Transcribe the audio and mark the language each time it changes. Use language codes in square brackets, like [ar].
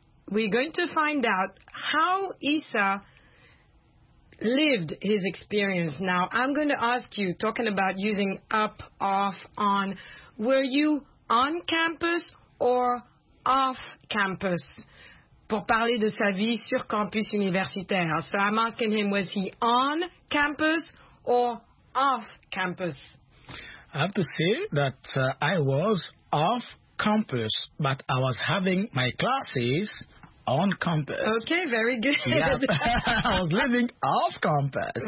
[en] We're going to find out how Issa lived his experience. Now, I'm going to ask you, talking about using up, off, on, were you on campus or off campus? [fr] Pour parler de sa vie sur campus universitaire. [en] So I'm asking him, was he on campus or off campus? I have to say that I was off campus, but I was having my classes on campus. Okay, very good. Yes. I was living off campus.